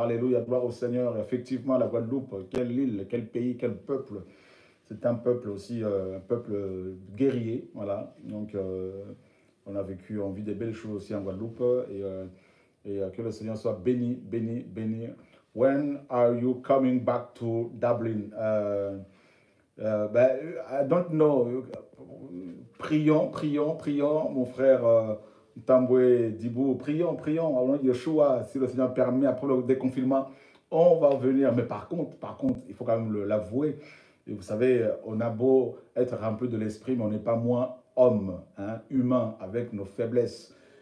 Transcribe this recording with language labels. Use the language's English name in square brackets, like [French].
[French] Alléluia, gloire au Seigneur. Effectivement, la Guadeloupe, quelle île, quel pays, quel peuple. C'est un peuple aussi, un peuple guerrier. Voilà. Donc, on a vécu, on vit des belles choses aussi en Guadeloupe. Que le Seigneur soit béni, béni, béni. [English] When are you coming back to Dublin? I don't know. [French] Prions, mon frère Tamboué Dibou. Prions, au nom de Yeshua, si le Seigneur permet, après le déconfinement, on va venir. Mais par contre, il faut quand même l'avouer. Et vous savez, on a beau être rempli de l'esprit, mais on n'est pas moins homme, hein, humain, avec nos faiblesses.